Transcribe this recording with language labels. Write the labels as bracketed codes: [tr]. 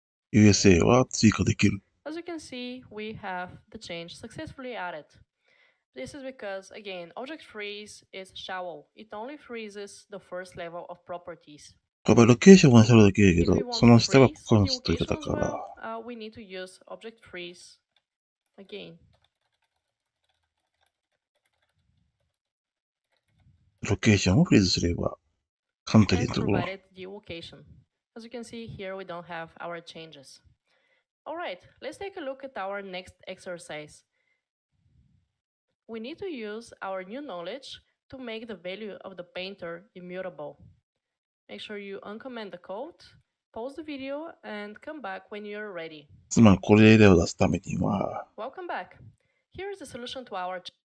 [ja] USA は追加できる。 [en] As you can see, we have the change successfully added. This is because, again, object freeze is shallow. It only freezes the first level of properties. [ja] ロケーションはそれだけだけど、その下がコンスト型だから。 [en] We need to use object freeze again. [ja] ロケーションをフリーズすれば、カントリーのところ。 [en] As you can see here, we don't have our changes. All right, let's take a look at our next exercise. We need to use our new knowledge to make the value of the painter immutable. Make sure you uncomment the code, pause the video, and come back when you're ready. [ja] つまりこれを出すためには。 [en] Welcome back. Here is the solution to our change.